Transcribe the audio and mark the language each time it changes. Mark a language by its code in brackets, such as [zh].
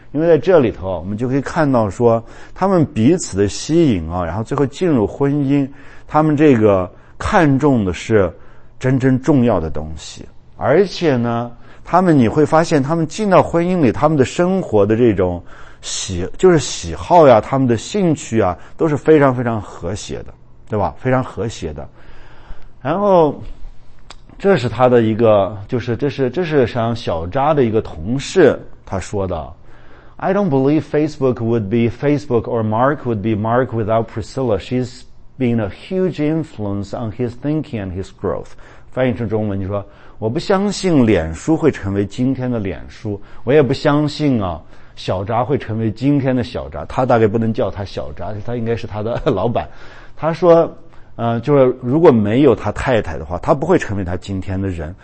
[zh] 因为在这里头，我们就可以看到说他们彼此的吸引啊，然后最后进入婚姻，他们这个看重的是真正重要的东西。而且呢，他们你会发现他们进到婚姻里，他们的生活的这种喜好呀，他们的兴趣啊，都是非常非常和谐的，对吧？非常和谐的。然后这是他的一个，就是这是像小扎的一个同事他说的， [en] I don't believe Facebook would be Facebook or Mark would be Mark without Priscilla. She's been a huge influence on his thinking and his growth. [zh] 翻译成中文就说，我不相信脸书会成为今天的脸书，我也不相信啊，小扎会成为今天的小扎。他大概不能叫他小扎，他应该是他的老板。他说，就是如果没有他太太的话，他不会成为他今天的人。